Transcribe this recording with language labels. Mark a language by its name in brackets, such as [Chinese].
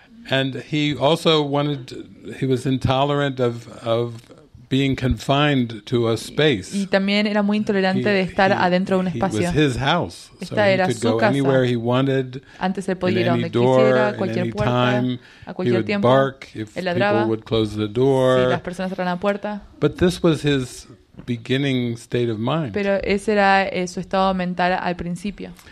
[English] And he also wanted. He was intolerant of being confined to a space. [Spanish] Y también era muy intolerante de estar adentro de un espacio. [English] It was his house. [Spanish] Esta era su casa. [English] So he could go anywhere he wanted. [Spanish] Antes él podía ir a donde quisiera, a cualquier puerta, a cualquier tiempo. [English] He would bark if people would close the door. [Spanish] Si las personas cerraran la puerta. [English] But this was his beginning state of mind. [Spanish] Pero ese era su estado mental al principio.